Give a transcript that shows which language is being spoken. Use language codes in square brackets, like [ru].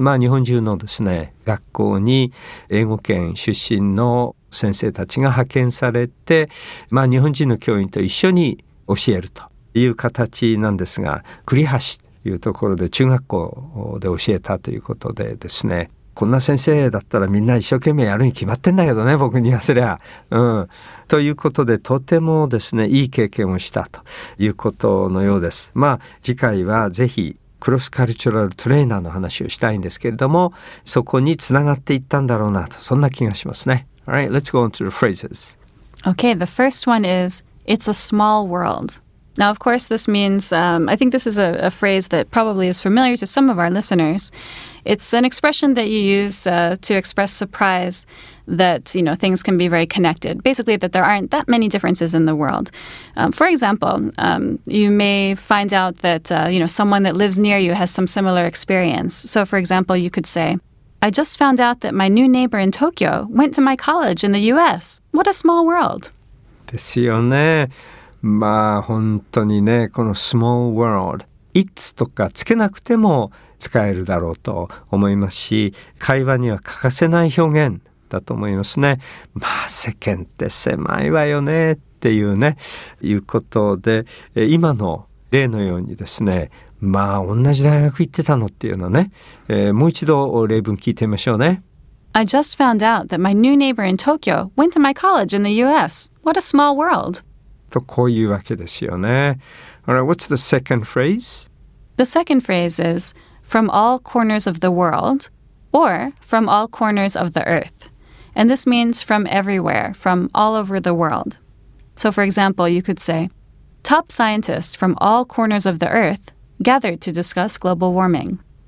[ja] まあ日本中のですね、学校に英語圏出身の先生たちが派遣されて、まあ、日本人の教員と一緒に教えるという形なんですが、栗橋というところで中学校で教えたということでですね、こんな先生だったらみんな一生懸命やるに決まってんだけどね、僕にはそりゃ、ということでとてもですね、いい経験をしたということのようです。まあ次回はぜひクロスカルチュラルトレーナーの話をしたいんですけれども、そこにつながっていったんだろうなと、そんな気がしますね。 [en] All right, let's go on to the phrases. Okay, the first one is, it's a small world. Now, of course, this means, I think this is a phrase that probably is familiar to some of our listeners. It's an expression that you use to express surprise that, you know, things can be very connected. Basically, that there aren't that many differences in the world. For example, you may find out that, you know, someone that lives near you has some similar experience. So, for example, you could say, I just found out that my new neighbor in Tokyo went to my college in the U.S. What a small world! [ja] ですよね。まあ本当にね、この small world、it's とかつけなくても使えるだろうと思いますし、会話には欠かせない表現だと思いますね。まあ世間って狭いわよねっていうね、いうことで、今の例のようにですね、まあ同じ大学行ってたのっていうのはね、もう一度例文聞いてみましょうね。 [en] I just found out that my new neighbor in Tokyo went to my college in the U.S. What a small world. [ja] とこういうわけですよね。 [en] All right, what's the second phrase? The second phrase is from all corners of the world or from all corners of the earth. And this means from everywhere, from all over the world. So, for example, you could say, top scientists from all corners of the earth gathered to discuss global warming.